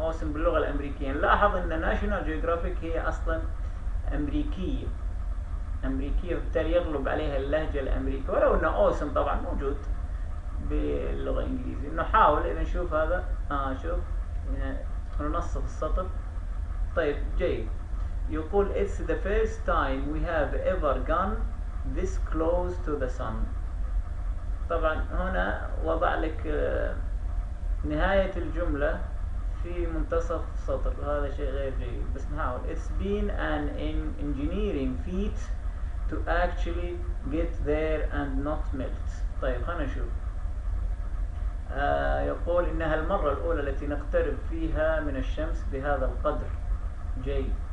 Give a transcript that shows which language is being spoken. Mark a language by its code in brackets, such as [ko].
[ar] awesome باللغة الأمريكية. لاحظ أن National Geographic هي أصلا أمريكية، وبالتالي يغلب عليها اللهجة الأمريكية، ولو أن awesome طبعا موجود باللغة الإنجليزية. نحاول إذا نشوف هذا، شوف ننصف السطر. طيب جيد، يقول [en] it's the first time we have ever gone this close to the sun. [ar] طبعا هنا وضع لك نهاية الجملة في منتصف سطر، هذا شيء غير جيد، بس نحاول. [en] It's been an engineering feat to actually get there and not melt. [ar] طيب خلينا نشوف. يقول إنها المرة الأولى التي نقترب فيها من الشمس بهذا القدر. جيد.